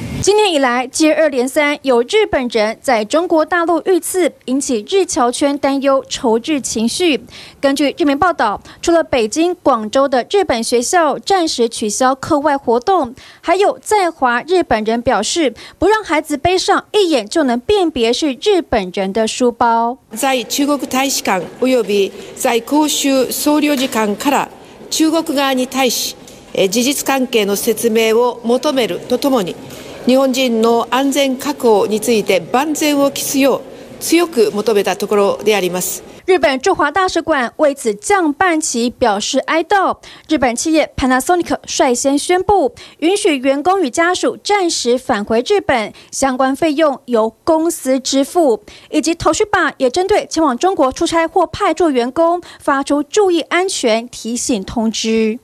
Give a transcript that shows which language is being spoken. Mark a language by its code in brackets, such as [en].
[zh] 今年以来，接二连三有日本人在中国大陆遇刺，引起日侨圈担忧仇日情绪。根据日媒报道，除了北京、广州的日本学校暂时取消课外活动，还有在华日本人表示不让孩子背上一眼就能辨别是日本人的书包。 [ja] 在中国大使館及び在公衆総領事館から中国側に対し事実関係の説明を求めるとともに、日本人の安全確保について万全を期すよう強く求めたところであります。 [zh] 日本驻华大使馆为此降半旗表示哀悼。日本企业 Panasonic 率先宣布允许员工与家属暂时返回日本，相关费用由公司支付。以及投须霸也针对前往中国出差或派驻员工发出注意安全提醒通知。